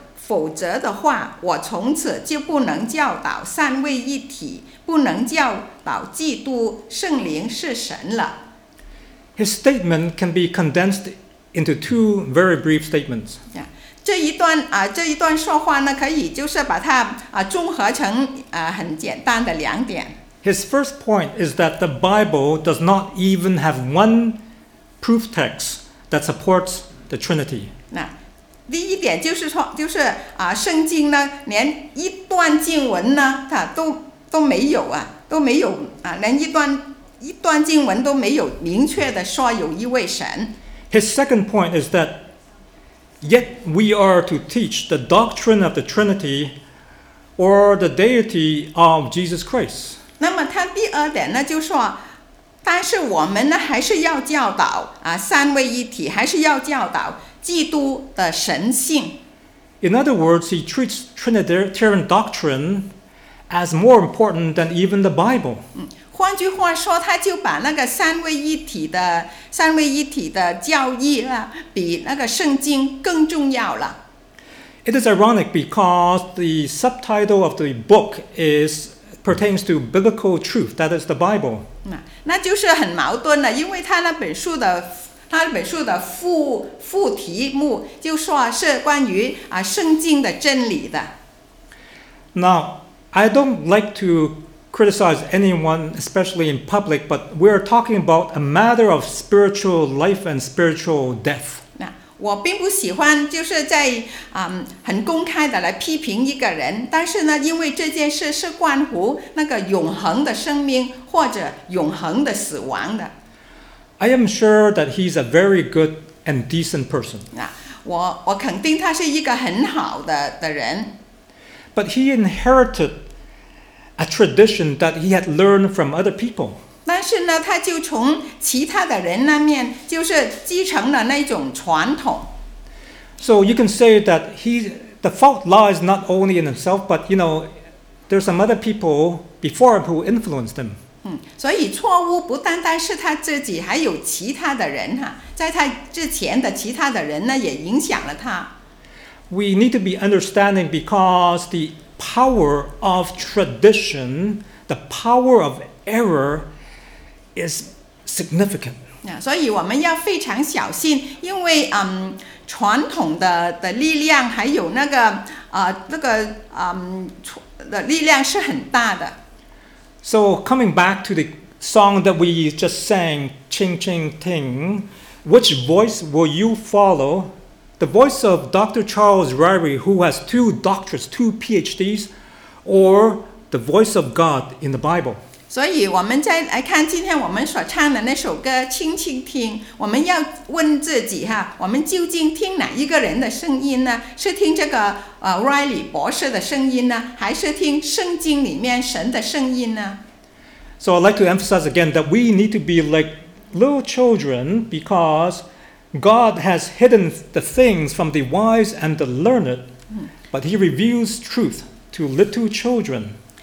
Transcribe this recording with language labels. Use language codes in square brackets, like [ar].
[zh] 否则的话，我从此就不能教导三位一体，不能教导基督圣灵是神了。 [en] His statement can be condensed into two very brief statements. [zh] 这一段说话呢，可以就是把它综合成很简单的两点。 [en] His first point is that the Bible does not even have one proof text that supports the Trinity. [zh] 第一点就是说，就是圣经呢，连一段经文呢，它都没有啊，都没有啊，连一段经文都没有明确的说有一位神。 [en] His second point is that yet we are to teach the doctrine of the Trinity or the deity of Jesus Christ. [zh] 那么他第二点呢，就说，但是我们呢还是要教导啊，三位一体还是要教导基督的神性。 [en] In other words, he treats Trinitarian doctrine as more important than even the Bible. [zh] 换句话说，他就把那个三位一体的教义啊，比那个圣经更重要了。 [en] It is ironic because the subtitle of the book pertains to biblical truth, that is the Bible. [zh] 那就是很矛盾的，因为他那本书的 副题目就说是关于啊圣经的真理的。 [en] Now, I don't like to criticize anyone, especially in public, but we're talking about a matter of spiritual life and spiritual death. [zh] 我并不喜欢就是在很公开的来批评一个人，但是呢，因为这件事是关乎那个永恒的生命或者永恒的死亡的。 [en] I am sure that he's a very good and decent person. [zh] 我肯定他是一个很好的人。 [en] But he inherited a tradition that he had learned from other people. [zh] 但是呢，他就从其他的人那面就是继承了那种传统。 [en] So you can say that the fault lies not only in himself, but you know, there's some other people before him who influenced him. [zh] 所以错误不单单是他自己，还有其他的人哈，在他之前的其他的人呢，也影响了他。 [en] We need to be understanding because the power of tradition, the power of error, is significant. [zh] 所以我们要非常小心，因为传统的力量还有的力量是很大的。 [en] So coming back to the song that we just sang, Ching Ching Ting, which voice will you follow? The voice of Dr. Charles Ryrie, who has two doctorates, two PhDs, or the voice of God in the Bible? [zh] 所以我们再来看今天我们所唱的那首歌《轻轻听》，我们要问自己哈，我们究竟听哪一个人的声音呢？是听这个Ryrie 博士的声音呢，还是听圣经里面神的声音呢？ [en] So I'd like to emphasize again that we need to be like little children because God has hidden the things from the wise and the learned, but he reveals truth to little children.